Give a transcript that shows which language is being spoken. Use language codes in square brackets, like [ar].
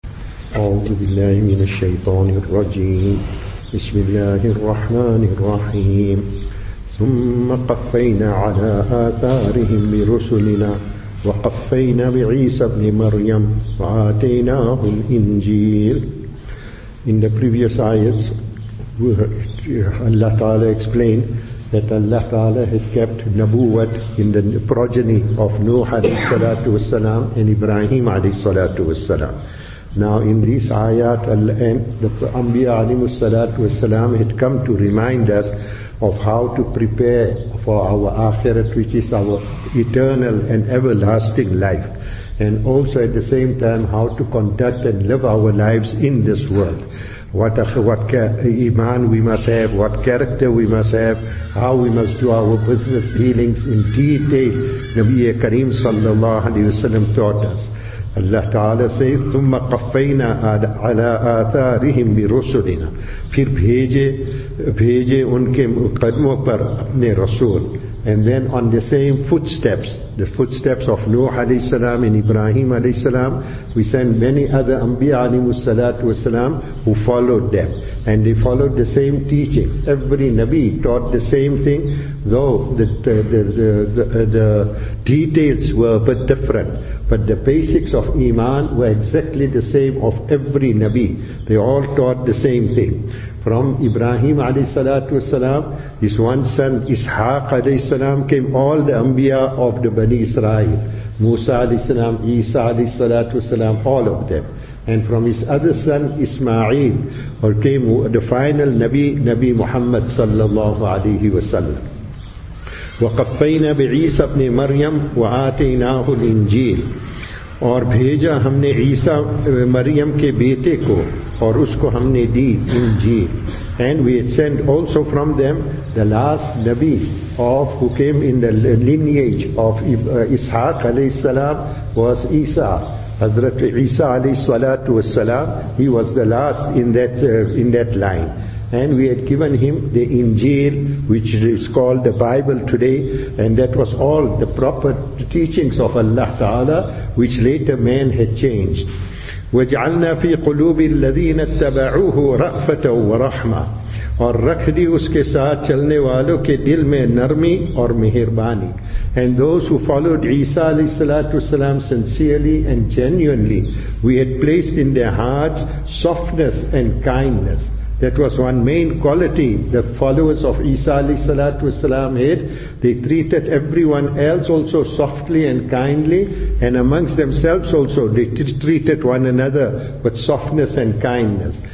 [ar] أعوذ بالله من الشيطان الرجيم. بسم الله الرحمن الرحيم. ثم قفينا على آثارهم برسلنا وقفينا بعيسى ابن مريم وآتيناه الإنجيل. [en] In the previous ayats, Allah Ta'ala explained that Allah Ta'ala has kept Nabuwat in the progeny of Nuh alayhi salatu wassalam and Ibrahim alayhi salatu wassalam. Now in this ayat, the Anbiya alayhi salatu wassalam had come to remind us of how to prepare for our akhirat, which is our eternal and everlasting life. And also at the same time, how to conduct and live our lives in this world. What iman we must have, what character we must have, how we must do our business dealings in detail, Nabiya Kareem sallallahu alayhi wasallam taught us. Allah Ta'ala says, [ar] ثُمَّ قَفَّيْنَا عَلَىٰ آثَارِهِمْ بِرُسُلِنَا. [ur] Phir bheje unke qadmo par apne rasool. [en] And then on the same footsteps, the footsteps of Nuh alayhi salam and Ibrahim alayhi salam, we send many other Anbiya alayhi salatu wasalam who followed them. And they followed the same teachings. Every Nabi taught the same thing, though the details were a bit different. But the basics of Iman were exactly the same of every Nabi. They all taught the same thing. From Ibrahim alayhi salatu wasalam, his one son Ishaq alayhi salam, came all the Anbiya of the Bani Israel. Musa alayhi salam, Isa alayhi salatu wasalam, all of them. And from his other son Ismail, or came the final Nabi, Nabi Muhammad sallallahu alayhi wasallam. [ar] وَقَفَّيْنَا بِعِيسَى ابْنِ مَرْيَمُ وَآتَيْنَاهُ الْإِنْجِيلِ. [ur] اور بھیجا ہم نے عیسیٰ مریم کے بیٹے کو اور اس کو ہم نے دی انجیل. [en] And we had sent also from them the last Nabi of who came in the lineage of Ishaq alayhi salam was Isa. Hazrat Isa alayhi salatu wassalam, he was the last in that line. And we had given him the Injil, which is called the Bible today, and that was all the proper teachings of Allah Ta'ala, which later man had changed. [ar] وَجْعَلْنَا فِي قُلُوبِ الَّذِينَ اتَّبَعُوهُ رَأْفَةً وَرَحْمَةً. [ur] اور رکھ دی اس کے ساتھ چلنے والوں کے دل میں نرمی اور مہربانی. [en] And those who followed Isa alayhi salatu wasalam sincerely and genuinely, we had placed in their hearts softness and kindness. That was one main quality the followers of Isa alayhi salatu wasalam had. They treated everyone else also softly and kindly, and amongst themselves also they treated one another with softness and kindness.